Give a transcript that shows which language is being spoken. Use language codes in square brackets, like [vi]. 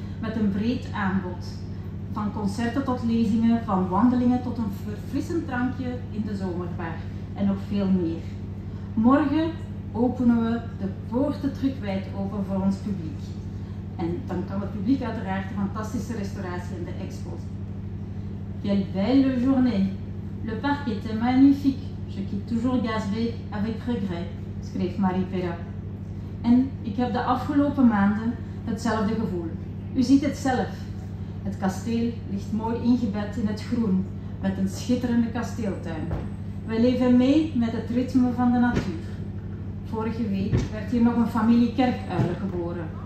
[nl] Met een breed aanbod. Van concerten tot lezingen, van wandelingen tot een verfrissend drankje in de zomerbar. En nog veel meer. Morgen openen we de poorten terug wijd open voor ons publiek. En dan kan het publiek uiteraard de fantastische restauratie en de expo. [fr] Quelle belle journée! Le parc était magnifique. Je quitte toujours Gaasbeek avec regret, schreef Marie Perrat. [nl] En ik heb de afgelopen maanden hetzelfde gevoel. U ziet het zelf. Het kasteel ligt mooi ingebed in het groen, met een schitterende kasteeltuin. Wij leven mee met het ritme van de natuur. Vorige week werd hier nog een familie kerkuilen geboren.